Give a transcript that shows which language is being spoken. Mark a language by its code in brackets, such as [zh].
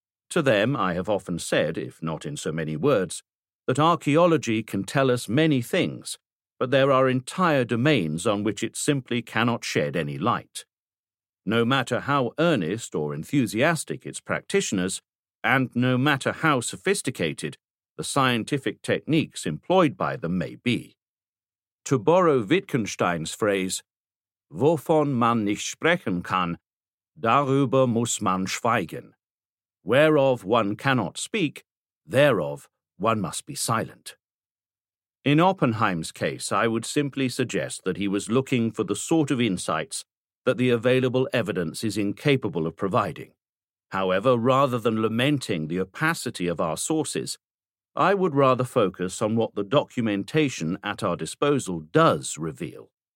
[en] To them, I have often said, if not in so many words, that archaeology can tell us many things, but there are entire domains on which it simply cannot shed any light. No matter how earnest or enthusiastic its practitioners, and no matter how sophisticated the scientific techniques employed by them may be. To borrow Wittgenstein's phrase, [de] "Wovon man nicht sprechen kann, darüber muss man schweigen." [en] Whereof one cannot speak, thereof one must be silent. In Oppenheim's case, I would simply suggest that he was looking for the sort of insights that the available evidence is incapable of providing. However, rather than lamenting the opacity of our sources, I would rather focus on what the documentation at our disposal does reveal.